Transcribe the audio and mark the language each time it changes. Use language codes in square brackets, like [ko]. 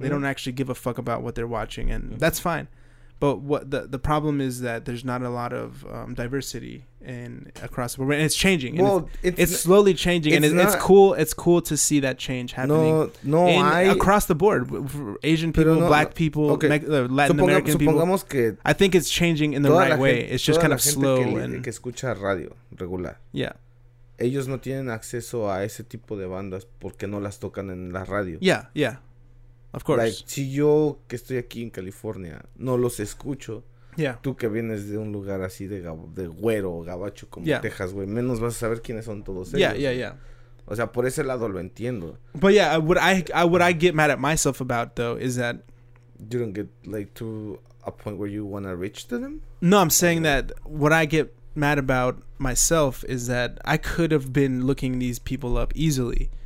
[en] They don't actually give a fuck about what they're watching, and that's fine. But what the problem is that there's not a lot of diversity in across the world, and it's changing. It's slowly changing, and it's cool. It's cool to see that change happening. Across the board, Asian people, Black people, Latin American people. [es] Supongamos que [en] I think it's changing in the right way. It's just kind of slow. [es] Que escucha radio regular. [en] Yeah. [es] Ellos no tienen acceso a ese tipo de bandas porque no las tocan en la radio. [en] Yeah, yeah. Of course. Like, [es] si yo que estoy aquí en California no los escucho, tú que vienes de un lugar así de güero o gabacho como Texas, güey, menos vas a saber quiénes son todos ellos. [en] Yeah, yeah. [es] O sea, por ese lado lo entiendo. [en] But yeah, what I get mad at myself about though is that you don't get like to a point where you want to reach to them? No, I'm saying that what I get mad about myself is that I could have been looking these people up easily.